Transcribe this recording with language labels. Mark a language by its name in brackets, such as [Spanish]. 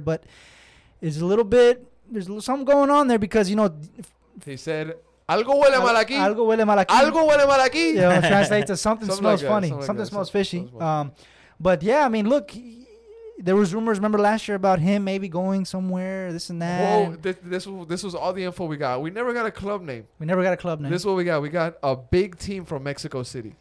[English] But it's a little bit, there's something going on there because, you know. He said, [Spanish] algo huele mal aquí. Algo huele mal aquí. Algo huele mal aquí. [English] Yeah, it translates to something smells like funny. Something smells fishy. But yeah, I mean, look, there was rumors, remember last year, about him maybe going somewhere, this and that. Whoa, this was all the info we got. We never got a club name. This is what we got. We got a big team from Mexico City.